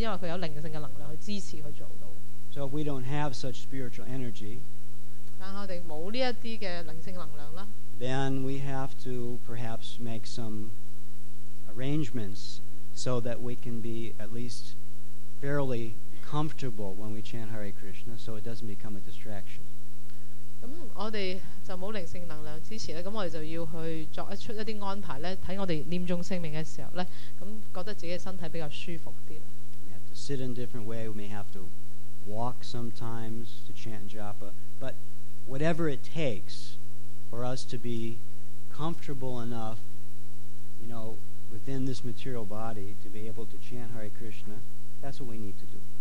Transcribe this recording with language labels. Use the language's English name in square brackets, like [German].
[Chinese] 我的神姊妹,仁曼德比,她就在講一些消息,說帕帕在70年代,在印度傳教的時候,她見到帕帕有一天,可能有時整天都坐在那裡,盤膝坐,然後帶一條腰非常直,可能連續坐8個小時,10個小時,會見客人,講課,諸如此類的。她的評論就是說,帕帕能夠這樣做,因為她有靈性的能量去支持她做。 [English] So if we don't have such spiritual energy, [Chinese] 但我們沒有這些靈性能量, [English] then we have to perhaps make some arrangements so that we can be at least fairly comfortable when we chant Hare Krishna so it doesn't become a distraction. [Chinese] 我們就沒有靈性能量之前,我們就要去作出一些安排,看我們念誦聖名的時候,覺得自己的身體比較舒服一點。 [English] We have to sit in different way, we may have to walk sometimes to chant japa, but whatever it takes for us to be comfortable enough, you know, within this material body to be able to chant Hare Krishna, that's what we need to do.